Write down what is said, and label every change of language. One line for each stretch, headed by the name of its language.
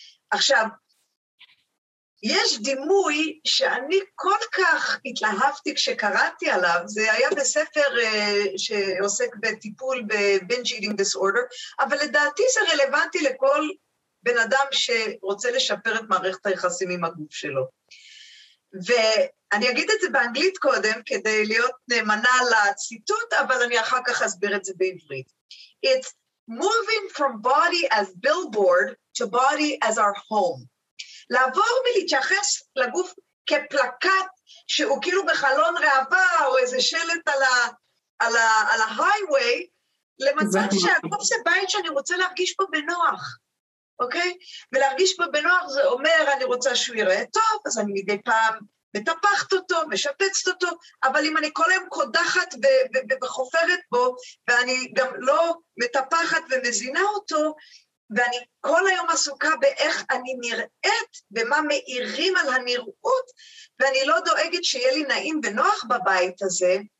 Hebrew: עכשיו, יש דימוי שאני כל כך התלהבתי כשקראתי עליו, זה היה בספר שעוסק בטיפול ב-Binge Eating Disorder, אבל לדעתי זה רלוונטי לכל בן אדם שרוצה לשפר את מערכת היחסים עם הגוף שלו. ואני אגיד את זה באנגלית קודם, כדי להיות נאמנה לציטוט, אבל אני אחר כך אסביר את זה בעברית.
English: It's moving from body as billboard to body as our home.
Hebrew: לעבור מלהתייחס לגוף כפלקט שהוא כאילו בחלון ראווה או איזה שלט על על ההייווי, למצב שהגוף זה בית שאני רוצה להרגיש בו בנוח, אוקיי? ולהרגיש בו בנוח זה אומר אני רוצה שהוא יראה טוב, אז אני מדי פעם מטפחת אותו, משפצת אותו, אבל אם אני כל היום קודחת וחופרת בו, ואני גם לא מטפחת ומזינה אותו, ואני כל היום עסוקה באיך אני נראית, ומה מאירים על הנראות, ואני לא דואגת שיהיה לי נעים ונוח בבית הזה,